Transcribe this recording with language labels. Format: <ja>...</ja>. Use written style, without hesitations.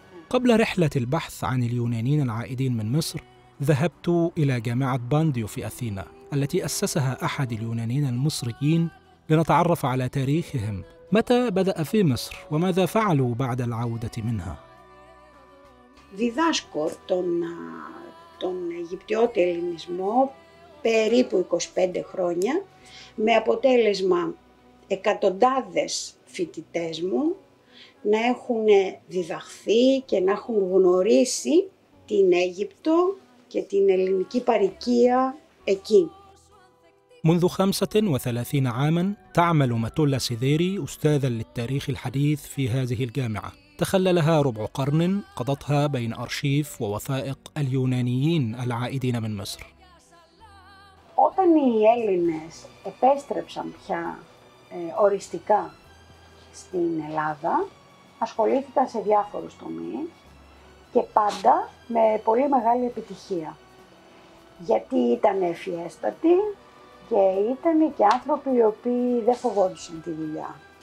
<ar>قبل رحلة البحث عن اليونانيين العائدين من مصر ذهبت إلى جامعة بانديو في أثينا التي أسسها أحد اليونانيين المصريين لنتعرف على تاريخهم. متى بدأ في مصر وماذا فعلوا بعد العودة منها؟</ar> <el>διδάσκω τον Αιγυπτιώτη ελληνισμό περίπου 25 χρόνια, με αποτέλεσμα εκατοντάδες φοιτητές μου να έχουν διδαχθεί και να έχουν γνωρίσει την Αίγυπτο και την ελληνική παροικία εκεί.</el> <ar>منذ 35 عاماً تعمل ماتولا سيديري أستاذاً للتاريخ الحديث في هذه الجامعة. تخللها ربع قرن قضتها بين أرشيف ووثائق اليونانيين العائدين من مصر.</ar> <el>Όταν οι Έλληνες επέστρεψαν πια οριστικά στην Ελλάδα, ασχολήθηκα σε διάφορους τομείς και πάντα με πολύ μεγάλη επιτυχία. Γιατί ήταν ευφυέστατοι και ήταν και άνθρωποι οι οποίοι δεν φοβόντουσαν τη δουλειά.</el>